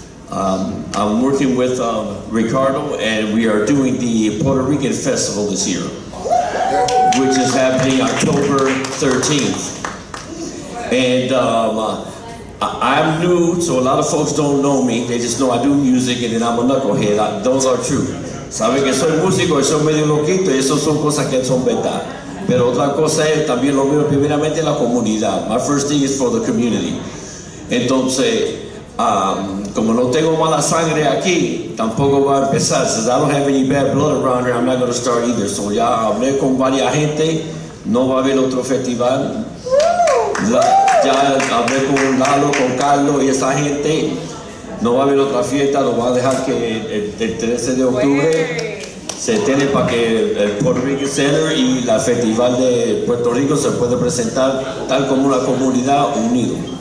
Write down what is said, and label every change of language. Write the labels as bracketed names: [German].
[English] I'm working with Ricardo, and we are doing the Puerto Rican Festival this year, which is happening October 13th. And I'm new, so a lot of folks don't know me. They just know I do music, and then I'm a knucklehead. Those are true. [Spanish] Saben que soy músico y soy medio loquito, y eso son cosas que son verdad. Pero otra cosa es también lo mío, primeramente la comunidad. [English] My first thing is for the community. [Spanish] Entonces, como no tengo mala sangre aquí, tampoco voy a empezar. [English] Since I don't have any bad blood around here, I'm not going to start either. So [Spanish] ya hablé con varias gente, no va a haber otro festival. Ya hablé con Lalo, con Carlos y esa gente. No va a haber otra fiesta, lo voy a dejar que el 13 de octubre se tiene para que el Puerto Rico Center y el Festival de Puerto Rico se puede presentar tal como una comunidad unida.